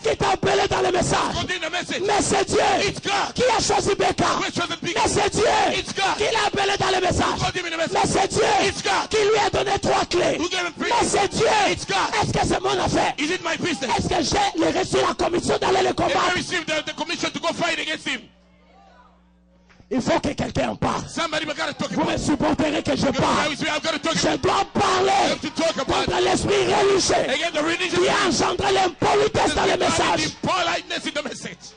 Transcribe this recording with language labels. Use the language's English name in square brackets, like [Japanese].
[French] Qui t'a appelé dans le message. [English] God in the message. [French] Mais c'est Dieu. [English] It's God. [French] Qui a choisi Becca. [English] Who has chosen Becca. [French] Mais c'est Dieu. [English] It's God. [French] Qui l'a appelé dans le message. [English] God in the message. [French] Mais c'est Dieu. [English] It's God. [French] Qui lui a donné trois clés. [English] Who gave him three. [French] Mais c'est Dieu. [English] It's God. [French] Est-ce que c'est mon affaire? [English] Is it my business? [French] Est-ce que j'ai reçu la commission d'aller le combattre? [English] I received the commission to go fight against him. [French] Il faut que quelqu'un en parle. [English] Somebody, [French] vous me supporterez que je parle. [English] Me, [French] je dois parler contre l'esprit religieux qui a engendré l'impolitesse dans le message.